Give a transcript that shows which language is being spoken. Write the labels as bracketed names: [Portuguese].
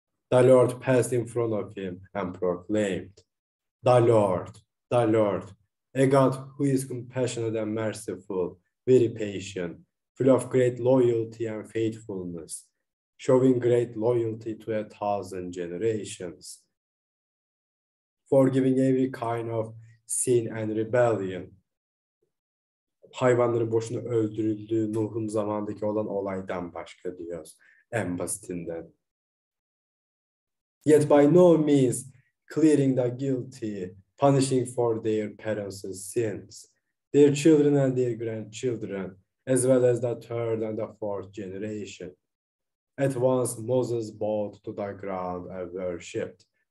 [English] The Lord passed in front of him and proclaimed, the Lord, a God who is compassionate and merciful, very patient, full of great loyalty and faithfulness, showing great loyalty to a thousand generations, forgiving every kind of sin and rebellion. [Turkish] Hayvanların boşuna öldürüldüğü Nuh'un zamandaki olan olaydan başka diyoruz en basitinden. [English] Yet by no means clearing the guilty, punishing for their parents' sins, their children and their grandchildren, as well as the third and the fourth generation. At once Moses bowed to the ground and worshipped.